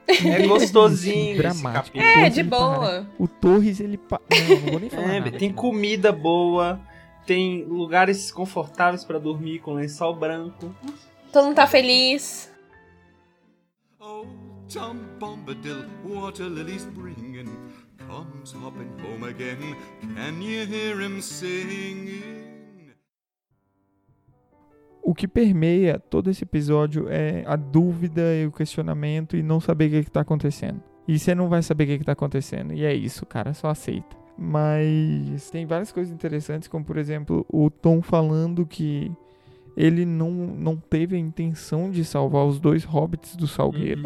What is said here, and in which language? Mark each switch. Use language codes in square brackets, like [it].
[pt] É gostosinho dramático. Esse capítulo. É, de boa. O Torres, ele... Não vou nem falar nada. Tem aqui. Comida boa, tem lugares confortáveis pra dormir com lençol branco. Todo mundo tá feliz. [en] Oh, Tom Bombadil, what a lily's bringing. Comes hopping home again. Can you hear him singing? [pt] O que permeia todo esse episódio é a dúvida e o questionamento e não saber o que tá acontecendo. E você não vai saber o que tá acontecendo. E é isso, cara, só aceita. Mas tem várias coisas interessantes, como, por exemplo, o Tom falando que ele não teve a intenção de salvar os dois hobbits do Salgueiro.